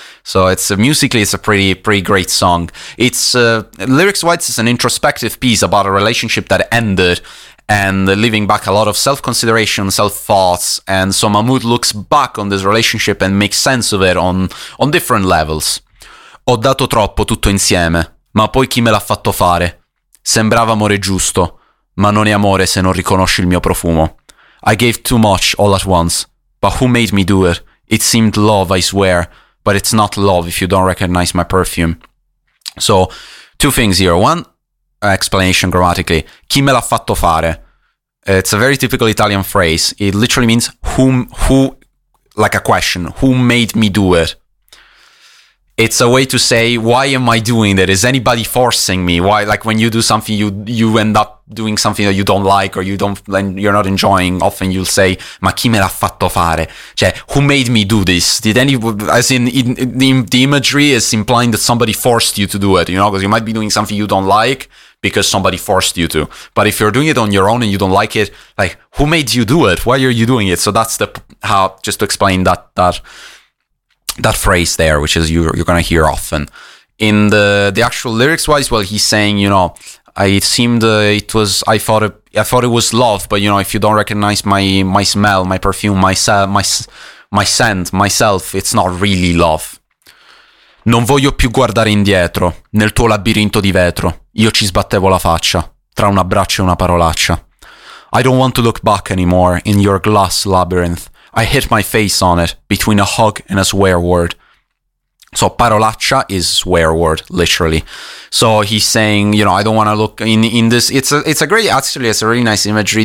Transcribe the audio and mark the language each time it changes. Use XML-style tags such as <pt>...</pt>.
<en>So it's musically, it's a pretty great song. It's lyrics-wise, it's an introspective piece about a relationship that ended, and leaving back a lot of self-consideration, self-thoughts. And so Mahmood looks back on this relationship and makes sense of it on different levels.</en> <it>Ho dato troppo tutto insieme, ma poi chi me l'ha fatto fare? Sembrava amore giusto, ma non è amore se non riconosci il mio profumo.</it> <en>I gave too much all at once, but who made me do it? It seemed love, I swear, but it's not love if you don't recognize my perfume. So, two things here. One, explanation grammatically.</en> <it>Chi me l'ha fatto fare?</it> <en>It's a very typical Italian phrase. It literally means who, like a question. Who made me do it? It's a way to say, why am I doing that? Is anybody forcing me? Why, like when you do something, you end up doing something that you don't like or you don't, and you're not enjoying. Often you'll say,</en> <it>ma chi me l'ha fatto fare?</it> <en>Cioè, who made me do this? Did any, as in the imagery is implying that somebody forced you to do it, you know, because you might be doing something you don't like because somebody forced you to. But if you're doing it on your own and you don't like it, like, who made you do it? Why are you doing it? So that's the, how, just to explain that phrase there, which is you're going to hear often. In the actual lyrics-wise, well, he's saying, you know, I thought it was love, but, you know, if you don't recognize my smell, my perfume, my scent, myself, it's not really love.</en> <it>Non voglio più guardare indietro, nel tuo labirinto di vetro. Io ci sbattevo la faccia, tra un abbraccio e una parolaccia.</it> <en>I don't want to look back anymore in your glass labyrinth. I hit my face on it, between a hug and a swear word. So parolaccia is swear word, literally. So he's saying, you know, I don't want to look in this. It's a really nice imagery.</en>